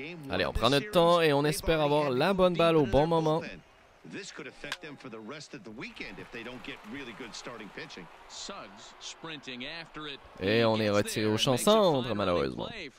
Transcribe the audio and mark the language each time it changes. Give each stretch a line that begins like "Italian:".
French: Allez, on prend notre temps et on espère avoir la bonne balle au bon moment.
English: This could affect them for the rest of the weekend if they don't get really good starting pitching. Suggs sprinting after it.
French: Et on est retiré au champ centre, malheureusement.